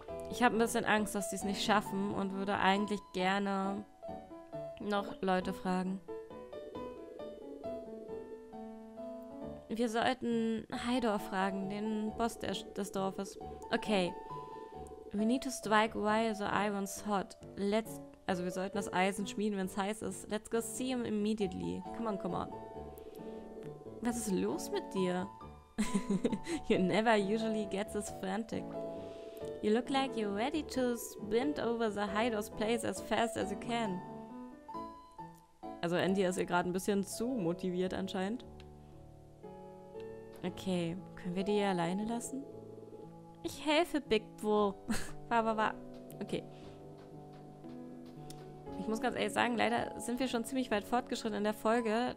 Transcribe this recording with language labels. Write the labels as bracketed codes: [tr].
[de] Ich habe ein bisschen Angst, dass sie es nicht schaffen und würde eigentlich gerne noch Leute fragen. Wir sollten Haidor fragen, den Boss des Dorfes. Okay. [en] We need to strike while the iron's hot. [de] Also wir sollten das Eisen schmieden, wenn es heiß ist. [en] Let's go see him immediately. Come on, come on. [de] Was ist los mit dir? [en] You never usually get this frantic. You look like you're ready to sprint over the Haidor's place as fast as you can. [de] Also Andy ist ihr gerade ein bisschen zu motiviert anscheinend. Okay, können wir die alleine lassen? Ich helfe, Big Bo. Okay. Ich muss ganz ehrlich sagen, leider sind wir schon ziemlich weit fortgeschritten in der Folge.